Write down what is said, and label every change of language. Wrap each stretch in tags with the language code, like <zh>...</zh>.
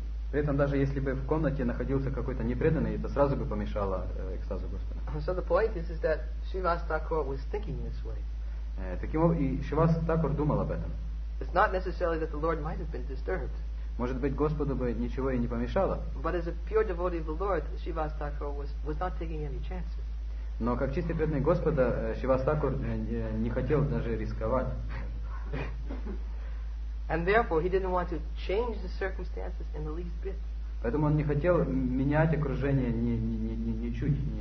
<ru>При этом даже если бы в комнате находился какой-то непреданный, это сразу бы помешало экстазу Господа.</ru> <en>So the point is that Srivasa Thakur was thinking this way.</en> <ru>Таким образом, и Srivasa Thakur думал об этом.</ru> <en>It's not necessarily that the Lord might have been disturbed.</en> <ru>Может быть, Господу бы ничего и не помешало.</ru> <en>But as a pure devotee of the Lord, Srivasa Thakur was not taking any chances.</en> <ru>Но как чистый преданный Господа, Srivasa Thakur не хотел даже рисковать.</ru> <en>And therefore, he didn't want to change the circumstances in the least bit.</en> <ru>Поэтому он не хотел менять окружение ни чуть.</ru>